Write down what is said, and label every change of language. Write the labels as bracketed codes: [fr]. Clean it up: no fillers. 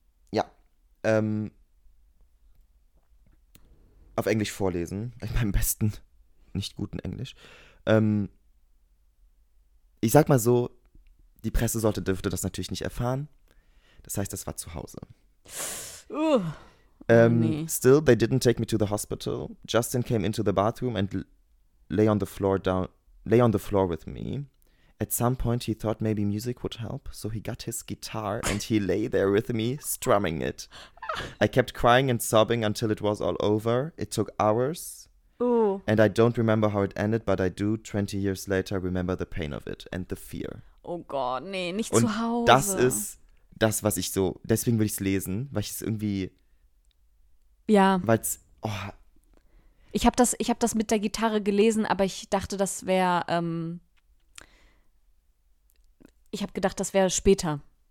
[de] Ja. Auf Englisch vorlesen. In meinem besten, nicht guten Englisch. Ich sag mal so, die Presse dürfte das natürlich nicht erfahren. Das heißt, das war zu Hause. Nee. [en] Still, they didn't take me to the hospital. Justin came into the bathroom and lay on the floor with me. At some point, he thought maybe music would help, so he got his guitar and he lay there with me, strumming it. I kept crying and sobbing until it was all over. It took hours. Ooh. And I don't remember how it ended, but I do, 20 years later, remember the pain of it and the fear. [de] Oh Gott, nee, nicht und zu Hause. Und das ist das, was ich so, deswegen will ich es lesen, weil ich es irgendwie... Ja. Weil es... Oh. Ich hab das mit der Gitarre gelesen, aber ich dachte, das wäre... Ich habe gedacht, das wäre später.